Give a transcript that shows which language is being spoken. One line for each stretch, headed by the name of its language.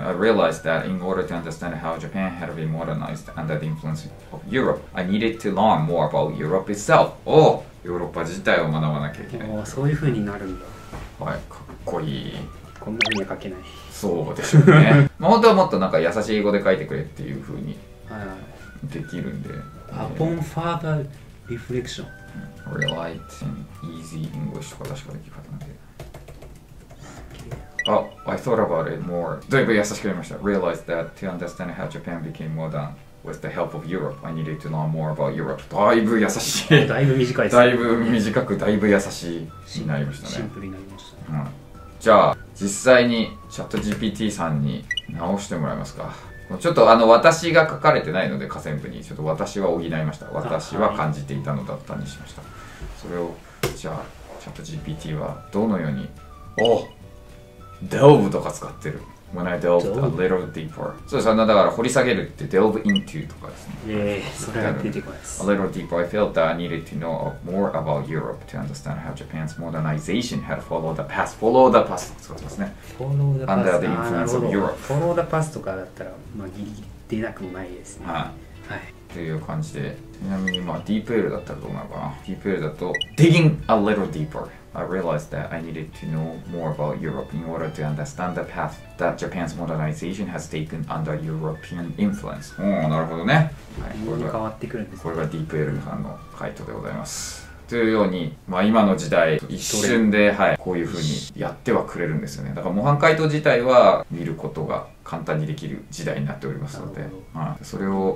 English: I realized that in order to understand how Japan had been modernized under the influence of Europe, I needed to learn more about Europe itself.
Japanese: おお、ヨーロッパ自体を学ばなきゃいけない。おお、そういう風になるんだ。はい、かっこいい。こんな風には書けない。そうでしょうね。まあ、本当はもっとなんか優しい英語で書いてくれっていう風にできるんで。
English: Upon further reflection, realizing easy English
Japanese: とか確かできる方なんで。
English: あ、I thought about it more.
Japanese: だいぶ優しく言いました。
English: Realized that to understand how Japan became modern with the help of Europe, I needed to know more about Europe.
Japanese: だいぶ優しい。だいぶ短いですね。だいぶ短く、だいぶ優しいになりましたね。シンプルになりました、ね、うん。じゃあ、実際に ChatGPT さんに直してもらえますか。ちょっと私が書かれてないので、下線部に。ちょっと私は補いました。私は感じていたのだったにしました。それを、じゃあ、ChatGPT はどのように、おDelve とか使ってる。
English: When I delve a little deeper。
Japanese: そうですね。だから掘り下げるって delve into とかですね。それが出てこないです。
English: A little deeper, I felt that I needed to know more about Europe to understand how Japan's modernization had followed the path. Follow the path
Japanese: とか使ってますね。
English: Follow the path. Under the influence of Europe. Follow the path
Japanese: とかだったら、まあ、ギリギリ出なくもないですね。はい。はい、という感じで、ちなみに、まあ、DeepL だったらどうなるかな。
English: DeepL だと、digging a little deeper。 I realized that I needed to know more about Europe in order to understand the path that Japan's modernization has taken under European influence.
Japanese: おー、なるほどね。はい、これが変わってくるんですね。これが DeepL さんの回答でございます。というように、まあ今の時代、一瞬で、はい、こういうふうにやってはくれるんですよね。だから模範解答自体は見ることが簡単にできる時代になっておりますので、はい、それを。